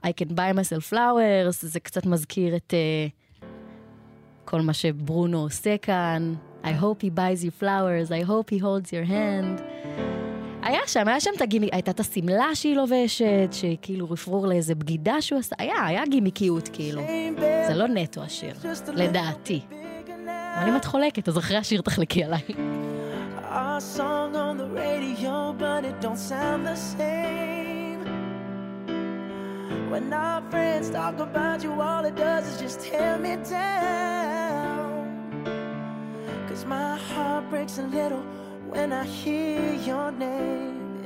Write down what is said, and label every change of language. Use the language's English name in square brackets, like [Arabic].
[Hebrew] I Can Buy Myself Flowers, זה קצת מזכיר את... כל מה שברונו עושה כאן. [English] I hope he buys you flowers, I hope he holds your hand. [Hebrew] היה שם את הגימיק, הייתה את הסמלה שהיא לובשת, שכאילו רפרור לאיזה בגידה שהוא עשה, היה גימיקיות כאילו. זה לא נטו השיר, לדעתי. אבל אם את חולקת, אז אחרי השיר תחלקי עליי. [English] Our song on the radio, but it don't sound the same. When our friends talk about you, all it does is just tear me down. 'Cause my heart breaks a little when I hear your name.